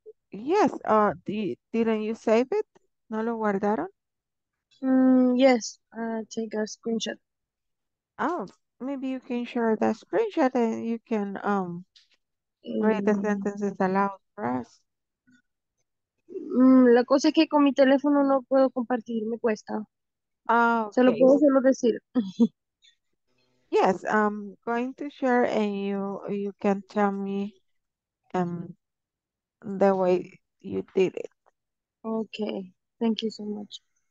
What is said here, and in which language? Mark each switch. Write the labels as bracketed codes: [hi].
[en] Yes, didn't you save it? [es] ¿No lo guardaron? [en] Yes, take a screenshot. Oh, maybe you can share that screenshot and you can read the sentences aloud for us. [es] La cosa es que con mi teléfono no puedo compartir, me cuesta. [en] Okay. [es] Se lo puedo solo decir. [en] Yes, I'm going to share and you can tell me the way you did it. Okay, thank you so much.